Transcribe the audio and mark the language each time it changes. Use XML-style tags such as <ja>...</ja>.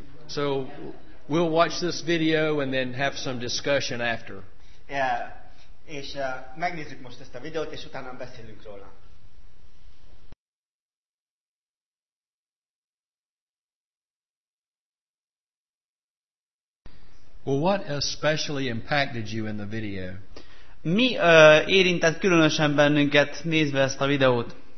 <en>So we'll watch this video and then have some discussion after.</en> <hu>És megnézzük most ezt a videót és utána beszélünk róla.</hu> <en>Well, what especially impacted you in the video?</en> <hu>Mi érintett különösen bennünket nézve ezt a videót?</hu>